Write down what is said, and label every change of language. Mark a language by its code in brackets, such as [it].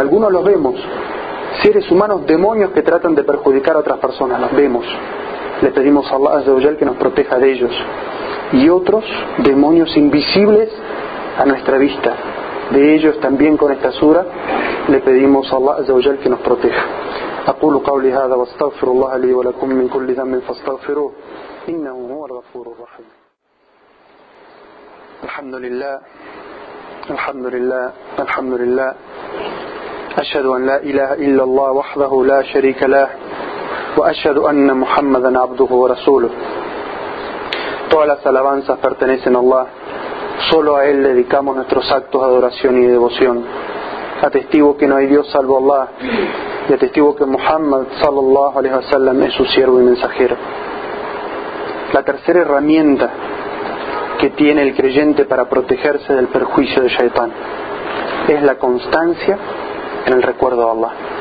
[es] Algunos los vemos, seres humanos, demonios que tratan de perjudicar a otras personas, los vemos. Le pedimos a Allah Azza wa Jal que nos proteja de ellos. Y otros, demonios invisibles a nuestra vista, de ellos también con esta sura, le pedimos a Allah Azza wa Jal que nos proteja. [ar] أقول قولي هذا واستغفر الله لي ولكم من كل ذنب فاستغفروه إنه هو الغفور الرحيم. الحمد لله الحمد لله الحمد لله. أشهد أن لا إله إلا الله وحده لا شريك له وأشهد أن محمدا عبده ورسوله. [es] Todas las alabanzas pertenecen a Allah, solo a Él dedicamos nuestros actos de adoración y devoción. Atestiguo que no hay Dios salvo Allah y atestiguo que Muhammad sallallahu alaihi wasallam es su siervo y mensajero. La tercera herramienta que tiene el creyente para protegerse del perjuicio de Shaytan es la constancia en el recuerdo de Allah.